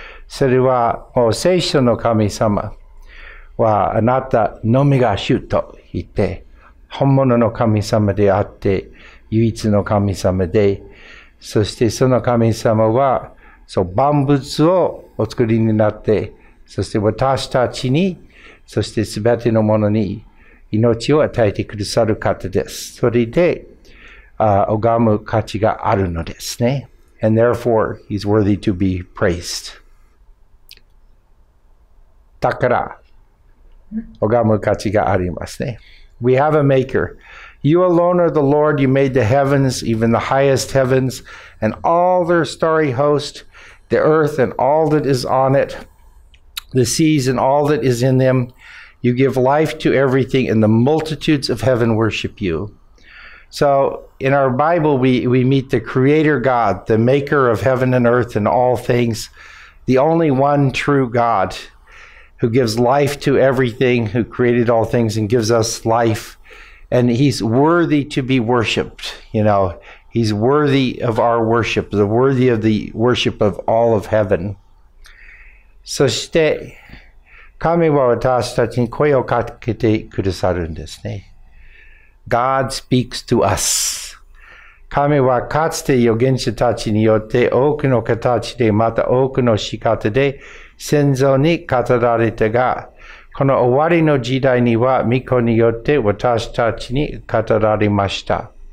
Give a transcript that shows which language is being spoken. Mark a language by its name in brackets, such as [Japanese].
[Japanese] それはもう聖書の神様はあなたのみが主と言って、本物の神様であって、唯一の神様で、そしてその神様は、そう、万物をお作りになって、そして私たちに、そして全てのものに命を与えてくださる方です。それで、拝む価値があるのですね。 [English] And therefore, he's worthy to be praised. [Japanese] だから、拝む価値がありますね。 [English] We have a maker. You alone are the Lord. You made the heavens, even the highest heavens, and all their starry host, the earth and all that is on it, the seas and all that is in them. You give life to everything, and the multitudes of heaven worship you. So in our Bible, we meet the Creator God, the maker of heaven and earth and all things, the only one true God. Who gives life to everything, who created all things and gives us life. And he's worthy to be worshipped. You know, he's worthy of our worship, the worthy of the worship of all of heaven. [Japanese] そして、神は私たちに声をかけてくださるんですね。 [English] God speaks to us. [Japanese] 神はかつて預言者たちによって多くの形で、また多くの仕方で、先祖に語られたが、この終わりの時代には御子によって私たちに語られました。